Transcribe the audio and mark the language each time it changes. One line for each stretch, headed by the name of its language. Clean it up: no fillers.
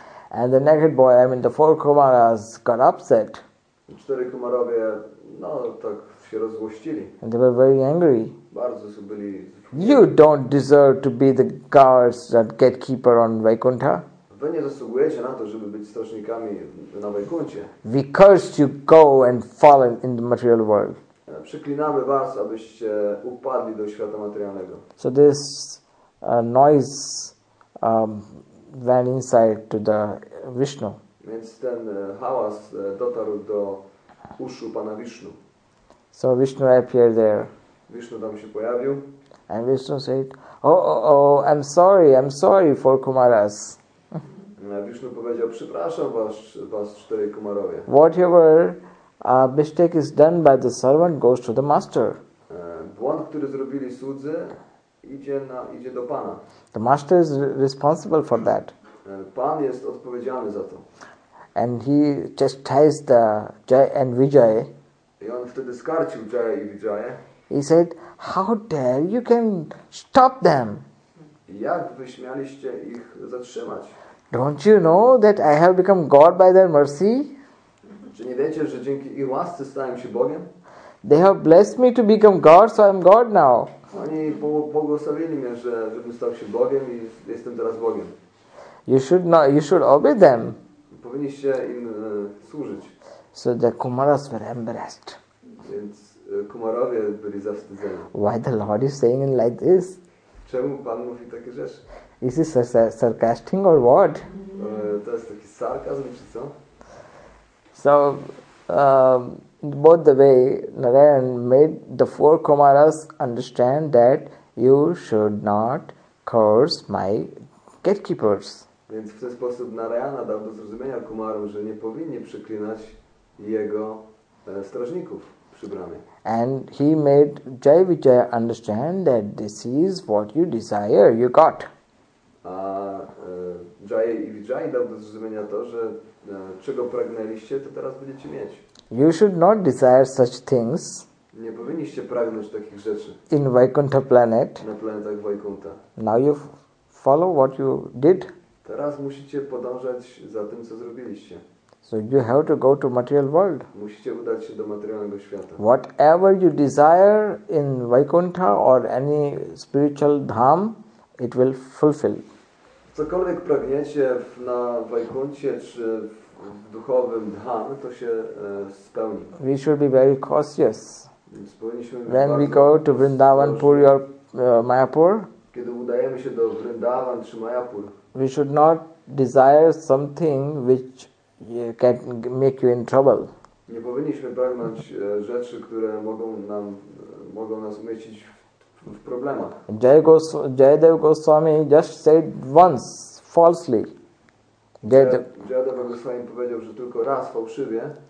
English: And the naked boy, I mean the four Kumaras, got upset.
Polish: Cztery Kumarowie, no tak się rozgłościli.
English: And they were very angry.
Polish: Bardzo są byli...
English: You don't deserve to be the guards that gatekeeper on Vaikuntha.
Polish: Wy nie zasługujecie na to, żeby być strażnikami na Vaikunthie.
English: We curse you, go and fall in the material world.
Polish: Przeklinamy was, abyście upadli do świata materialnego.
English: So this noise went inside to the Vishnu.
Polish: Więc ten hałas dotarł do uszu pana Vishnu.
English: So Vishnu appeared there.
Polish: Vishnu tam się pojawił.
English: And Vishnu said, oh, I'm sorry for Kumaras.
Polish: Vishnu powiedział, przepraszam was cztery Kumarowie.
English: Whatever mistake is done by the servant goes to the master.
Polish: Błąd, który zrobili słudzy, idzie do pana.
English: The master is responsible for that.
Polish: Pan jest odpowiedzialny za to.
English: And he chastised the Jay and Vijay.
Polish: I on wtedy skarcił Jay i Vijaya.
English: He said, how dare you can stop them?
Polish: Jak wy śmialiście ich zatrzymać?
English: Don't you know that I have become God by their mercy?
Polish: Czy nie wiecie, że dzięki ich łasce stałem się Bogiem?
English: They have blessed me to become God, so I'm God now.
Polish: Oni błogosławili mnie, żebym stał się Bogiem i jestem teraz Bogiem.
English: You should obey them.
Polish: Powinniście im służyć.
English: So the Kumaras were embarrassed.
Polish: Więc Kumarowie byli zawstydzeni.
English: Why the Lord is saying it like this?
Polish: Czemu Pan mówi takie rzeczy?
English: Is this sarcastic or what?
Polish: To jest taki sarkazm, czy co?
English: So, both the way, Narayan made the four Kumaras understand that you should not curse my gatekeepers.
Polish: Więc w ten sposób Narayana dał do zrozumienia Kumarom, że nie powinni przeklinać jego strażników przy bramie.
English: And he made Jay Vijay understand that this is what you desire, you got.
Polish: A Jay i Vijay dał do zrozumienia to, że czego pragnęliście, to teraz będziecie mieć.
English: You should not desire such things.
Polish: Nie powinniście pragnąć takich rzeczy.
English: In Vaikuntha planet.
Polish: Na planetach Vaikuntha.
English: Now you follow what you did.
Polish: Teraz musicie podążać za tym, co zrobiliście.
English: So you have to go to material world.
Polish: Musicie udać się do materialnego świata.
English: Whatever you desire in Vaikuntha or any spiritual dham, it will fulfill.
Polish: Cokolwiek pragniecie na Vaikunthie czy w duchowym dham, to się spełni.
English: We should be very cautious. When we go to Vrindavan, Puri or Mayapur,
Polish: kiedy udajemy się do Vrindavan czy Mayapur,
English: we should not desire something which can make you in trouble.
Polish: Nie powinniśmy pragnąć rzeczy, które mogą nas umieścić w w problemach.
English: Jayadeva Goswami just said once falsely.
Polish: Jayadeva Goswami powiedział, że tylko raz fałszywie.